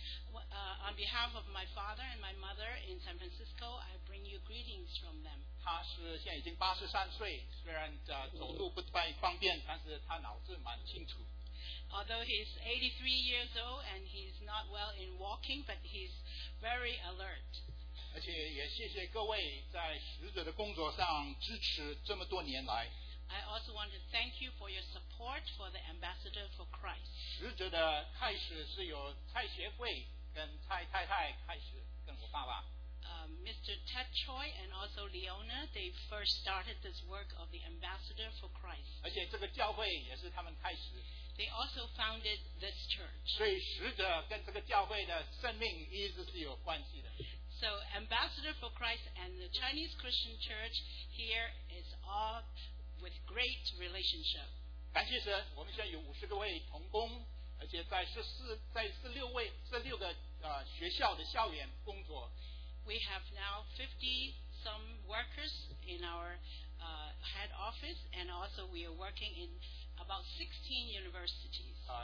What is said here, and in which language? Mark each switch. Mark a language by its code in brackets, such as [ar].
[en] On behalf of my father and my mother in San Francisco, I bring you greetings from them. [zh] 他是现在已经83岁，虽然走路不太方便，但是他脑子蛮清楚。 [en] Although he's 83 years old and he's not well in walking, but he's very alert. [zh] 而且也谢谢各位在使者的工作上支持这么多年来。 [en] I also want to thank you for your support for the Ambassador for Christ. [zh] 使者的开始是由蔡协会跟蔡太太开始，跟我爸爸。 [en] Mr. Ted Choi and also Leona, they first started this work of the Ambassador for Christ. [zh] 而且这个教会也是他们开始。 [en] They also founded this church. [zh] 所以使者跟这个教会的生命一直是有关系的。 [en] So Ambassador for Christ and the Chinese Christian Church here is all with great relationship. [zh] 感谢神，我们现在有50个位同工，而且在16个学校的校园工作。 [en] We have now 50 some workers in our head office, and also we are working in about 16 universities.